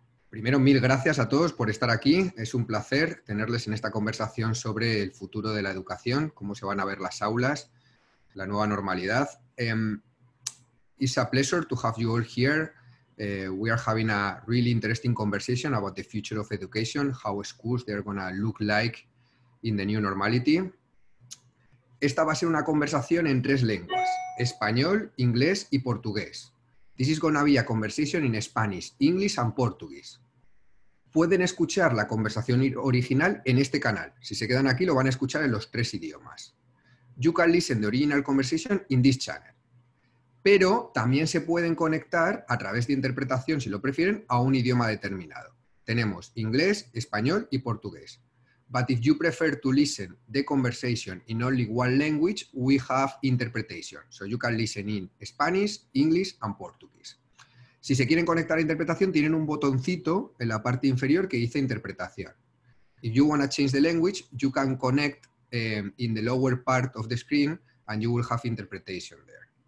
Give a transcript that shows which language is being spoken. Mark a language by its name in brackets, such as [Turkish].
[Spanish] Primero, mil gracias a todos por estar aquí. Es un placer tenerles en esta conversación sobre el futuro de la educación, cómo se van a ver las aulas, la nueva normalidad. [English] It's a pleasure to have you all here. We are having a really interesting conversation about the future of education, how schools they're going to look like in the new normality. [Spanish] Esta va a ser una conversación en tres lenguas. Español, inglés y portugués. [English] This is going to be a conversation in Spanish, English and Portuguese. [Spanish] Pueden escuchar la conversación original en este canal. Si se quedan aquí, lo van a escuchar en los tres idiomas. [English] You can listen the original conversation in this channel. [Spanish] Pero también se pueden conectar a través de interpretación, si lo prefieren, a un idioma determinado. Tenemos inglés, español y portugués. [English] But if you prefer to listen the conversation in only one language, we have interpretation. So you can listen in Spanish, English and Portuguese. [Spanish] Si se quieren conectar a interpretación, tienen un botoncito en la parte inferior que dice interpretación. [English] If you want to change the language, you can connect in the lower part of the screen and you will have interpretation there.